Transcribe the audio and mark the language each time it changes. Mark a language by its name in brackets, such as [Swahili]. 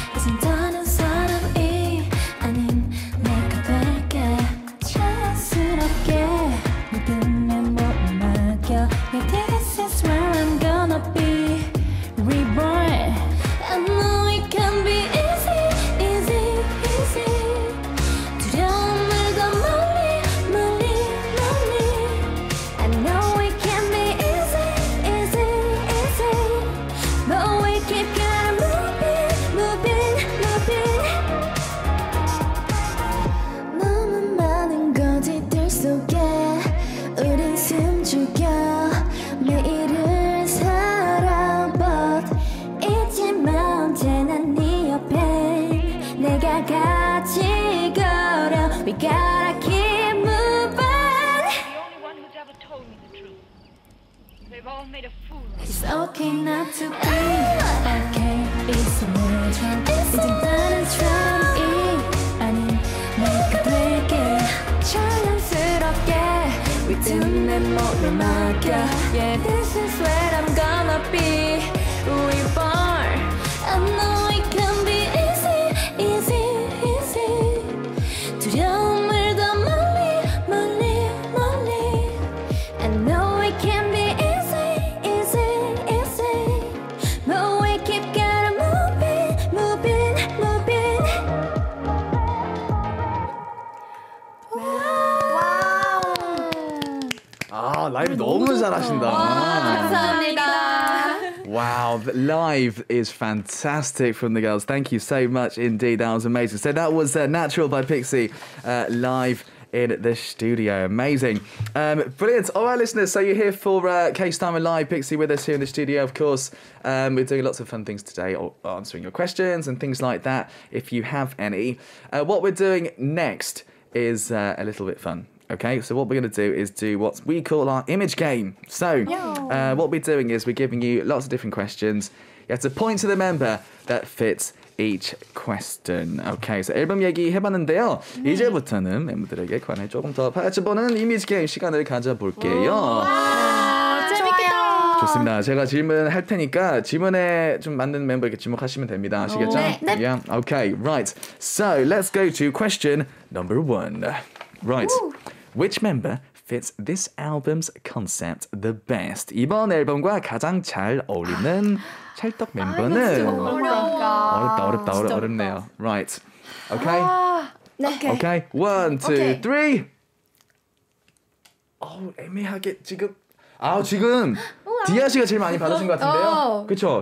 [Korean] 진짜는 사람이 아닌 내가 될게. 자연스럽게 믿음에 못 막혀. [English] Yeah, this is where I'm gonna be reborn. I know it can be easy, easy, easy. [Korean] 두려움을 더 멀리, 멀리, 멀리. [English] I know it can be easy, easy, easy. But we keep gonna moving, moving, moving. [Korean] 너무 많은 거짓들 속에 우린 숨죽여 매일을 살아. But 잊지마 언제나 네 옆에 내가 같이 걸어. [English] We gotta keep moving. The only one who's ever told me the truth. They've all made a fool of me. It's okay not to be okay. It's a natural. It's a natural. It's a natural. [Korean] 아닌 내가 될게. 자연스럽게 믿음에 못 막혀. [English] Yeah, this is where I'm gonna be reborn. I know it can be easy, easy, easy. [Korean] 두려움을 더 멀리, 멀리, 멀리. [English] I know it can be easy, easy, easy. But we keep gotta moving, moving, moving. Wow. [Korean] 아, 라이브 너무 잘하신다. 감사합니다. [English] Wow, live is fantastic from the girls. Thank you so much indeed. That was amazing. So that was Natural by Pixie live in the studio. Amazing. Brilliant. All right, listeners, so you're here for Case Time Alive. Pixie with us here in the studio, of course. We're doing lots of fun things today, answering your questions and things like that, if you have any. What we're doing next is a little bit fun. Okay, so what we're going to do is do what we call our image game. So what we're doing is we're giving you lots of different questions. You have to point to the member that fits each question. Okay, so [Korean] 앨범 얘기 해봤는데요. 네. 이제부터는 멤버들에게 관해 조금 더 파헤쳐보는 이미지 게임 시간을 가져볼게요. 좋습니다. 제가 질문할 테니까 질문에 좀 맞는 멤버에게 지목하시면 됩니다. 아시겠죠? 네. [English] Yeah. Okay, right. So let's go to question number one. Right. Which member fits this album's concept the best? [Korean] 이번 앨범과 가장 잘 어울리는 찰떡 멤버는? 아, 진짜 어렵다. 어렵다, 어렵다, 진짜 어렵네요. 어렵다. [English] Right. Okay. [Korean] 네. [English] Okay. One, two, okay. three. [Korean] 어우, 애매하게 지금. 아, 지금 디아 씨가 제일 많이 받으신 것 같은데요. 그렇죠.